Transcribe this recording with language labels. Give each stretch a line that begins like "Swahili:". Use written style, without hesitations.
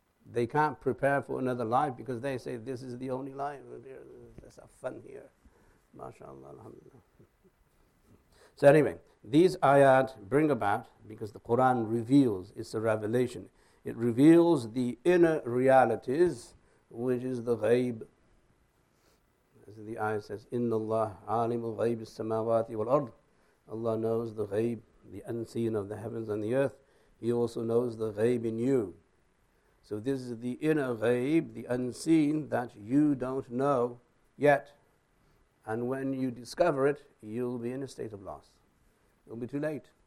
English: They can't prepare for another life because they say, this is the only life. Let's have fun here. MashaAllah, alhamdulillah. So anyway, these ayat bring about, because the Quran reveals, it's a revelation. It reveals the inner realities, which is the ghaib. As the ayah says,
Arabic: إِنَّ اللَّهَ عَالِمُ الْغَيْبِ السَّمَاوَاتِ وَالْأَرْضِ.
English: Allah knows the ghaib, the unseen of the heavens and the earth. He also knows the ghaib in you. So this is the inner ghaib, the unseen, that you don't know yet. And when you discover it, you'll be in a state of loss. It'll be too late.